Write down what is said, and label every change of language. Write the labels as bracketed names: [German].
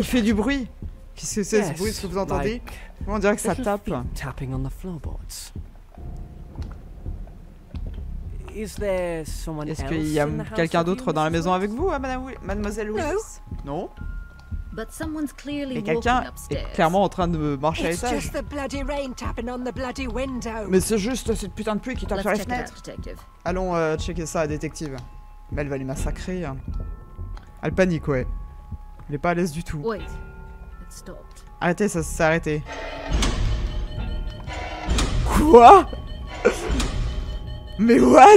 [French] Il fait du bruit. Qu'est-ce que c'est ce bruit que vous entendez? [English] Like [French] on dirait que ça tape. [English] Tapping on the floorboards. Is there someone [French] Est-ce qu'il y a quelqu'un d'autre dans la maison avec vous, mademoiselle Willis? Non. [English] But someone's clearly [French] Mais quelqu'un [English] walking upstairs. [French] Est clairement en train de marcher [English] It's [French] à l'étage. [English] It's just the bloody rain tapping on the bloody window. [French] Mais c'est juste cette putain de pluie qui tape sur les fenêtres. [English] Out, [French] Allons checker ça, détective. Mais elle va les massacrer. Elle panique, ouais. Elle est pas à l'aise du tout. [English] Wait. It stopped. [French] Arrêtez, ça s'est arrêté. Quoi? Mais [English] what?